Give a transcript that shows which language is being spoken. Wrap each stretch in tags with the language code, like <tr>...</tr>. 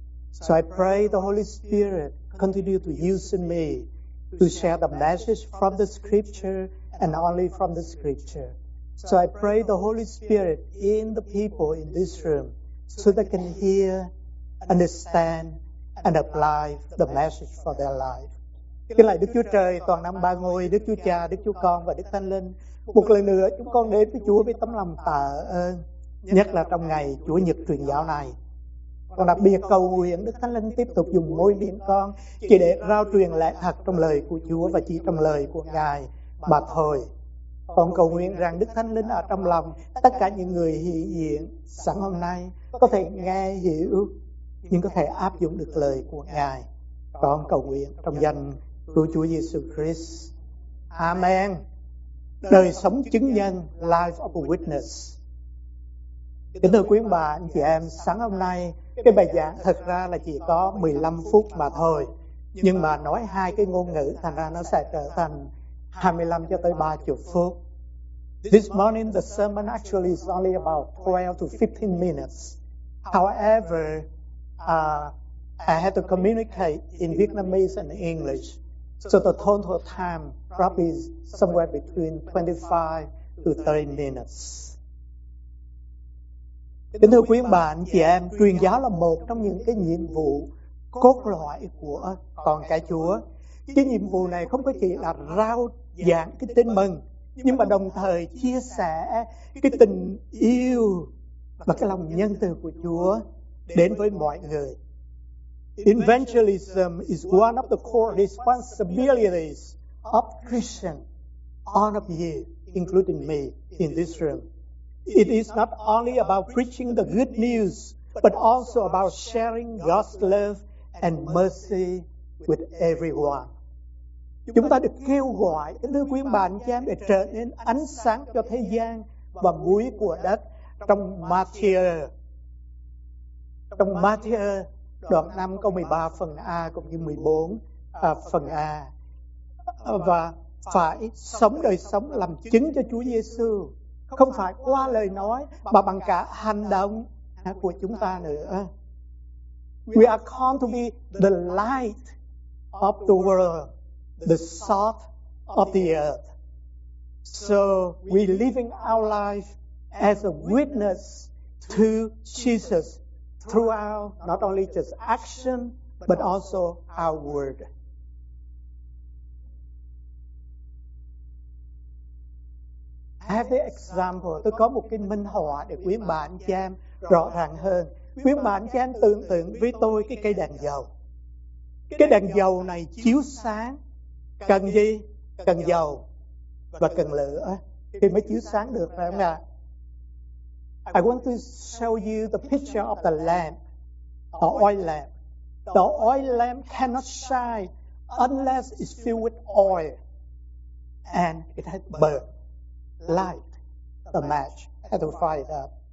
<en>So I pray the Holy Spirit continue to use in me to share the message from the Scripture and only from the Scripture. So I pray the Holy Spirit in the people in this room, so they can hear, understand, and apply the message for their life.</en> <vi>Kính lạy Đức Chúa Trời, toàn năm ba ngôi, Đức Chúa Cha, Đức Chúa Con và Đức Thánh Linh. Một lần nữa, chúng con đến với Chúa với tấm lòng tạ ơn, nhất là trong ngày Chúa Nhật truyền giáo này. Còn đặc biệt cầu nguyện Đức Thánh Linh tiếp tục dùng môi miệng con chỉ để rao truyền lẽ thật trong lời của Chúa và chỉ trong lời của Ngài mà thôi. Con cầu nguyện rằng Đức Thánh Linh ở trong lòng tất cả những người hiện diện sẵn hôm nay có thể nghe hiểu nhưng có thể áp dụng được lời của Ngài. Con cầu nguyện trong danh của Chúa Jesus Christ. Amen. Đời sống chứng nhân,</vi> <en>life of a witness.</en> <vi>Kính thưa quý ông bà, anh chị em, sáng hôm nay cái bài giảng thật ra là chỉ có 15 phút mà thôi, nhưng mà nói hai cái ngôn ngữ thành ra nó sẽ trở thành 25 cho tới 30 phút.</vi> <en>This morning the sermon actually is only about 12 to 15 minutes. However, I had to communicate in Vietnamese and English, so the total time probably is somewhere between 25 to 30 minutes.</en> <vi>Kính thưa quý ông bà, anh chị em, truyền giáo là một trong những cái nhiệm vụ cốt lõi của con cái Chúa. Cái nhiệm vụ này không có chỉ là rao giảng cái tin mừng, nhưng mà đồng thời chia sẻ cái tình yêu và cái lòng nhân từ của Chúa đến với mọi người.</vi> <en>Evangelism is one of the core responsibilities of Christians, all of you, including me, in this room. It is not only about preaching the good news, but also about sharing God's love and mercy with everyone.</en> <vi>Chúng ta được kêu gọi, thưa quý ông bà, anh chị em, để trở nên ánh sáng cho thế gian và muối của đất trong Matthew. Trong Matthew đoạn 5 câu 13 phần A cũng như 14 phần A. Và phải sống đời sống làm chứng cho Chúa Giêsu, không phải qua lời nói mà bằng cả hành động của chúng ta nữa.</vi> <en>We are called to be the light of the world, the salt of the earth. So we living our life as a witness to Jesus throughout not only just action but also our word. have the example.</en> <vi>Tôi có một cái minh họa để quý ông bà anh chị em rõ ràng hơn. Quý ông bà anh chị em tưởng tượng với tôi cái cây đèn dầu. Cái đèn dầu này chiếu sáng cần gì? Cần dầu và cần lửa thì mới chiếu sáng được, phải không ạ?</vi> <en>I want to show you the picture of the lamp, the oil lamp. The oil lamp cannot shine unless it's filled with oil and it has burnt light, the match, and the fire.</en>